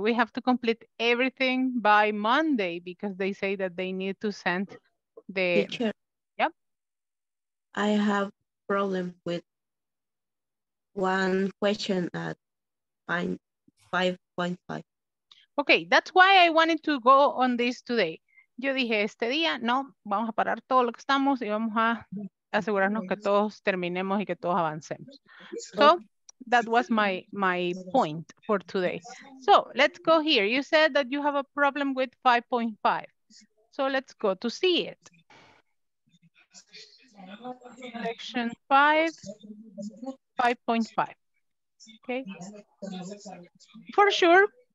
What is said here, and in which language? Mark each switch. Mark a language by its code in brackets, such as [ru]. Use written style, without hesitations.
[en] We have to complete everything by Monday because they say that they need to send the teacher. Yep. I have problem with one question at 5.5. Okay, that's why I wanted to go on this today. [es] Yo dije, este día, no, vamos a parar todo lo que estamos y vamos a asegurarnos que todos terminemos y que todos avancemos. [en] So, that was my point for today. So let's go here. You said that you have a problem with 5.5. So let's go to see it. Section 5.5. Okay. For sure.